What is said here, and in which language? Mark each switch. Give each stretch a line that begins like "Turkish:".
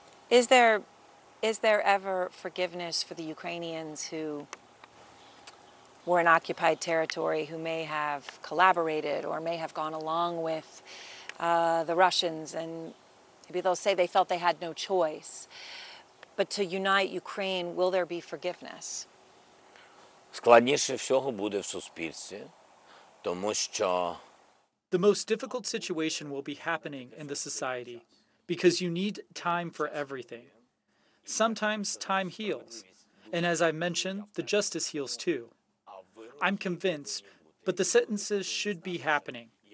English: Is there ever forgiveness for the Ukrainians who were in occupied territory, who may have collaborated or may have gone along with the Russians, and maybe they'll say they felt they had no choice. But to unite Ukraine, will there be forgiveness?
Ukrainian: Складніше всього буде в суспільстві, тому що...
English: The most difficult situation will be happening in the society, because you need time for everything. Sometimes time heals, and as I mentioned, the justice heals too. I'm convinced, but the sentences should be happening.